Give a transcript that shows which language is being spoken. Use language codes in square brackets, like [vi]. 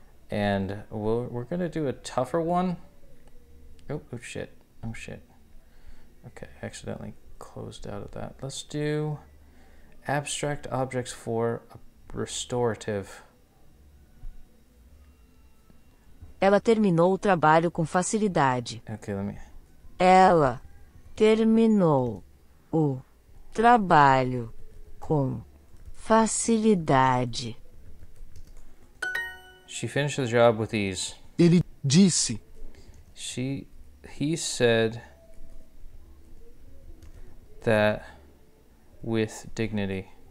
[en] And we're going to do a tougher one. Oh, shit. Okay, accidentally closed out of that. Let's do abstract objects for a restorative. [pt] Ela terminou o trabalho com facilidade. [en] Okay, let me... [pt] Ela terminou o trabalho com facilidade. [en] She finished the job with ease. [pt] Ele disse. [en] He said that with dignity.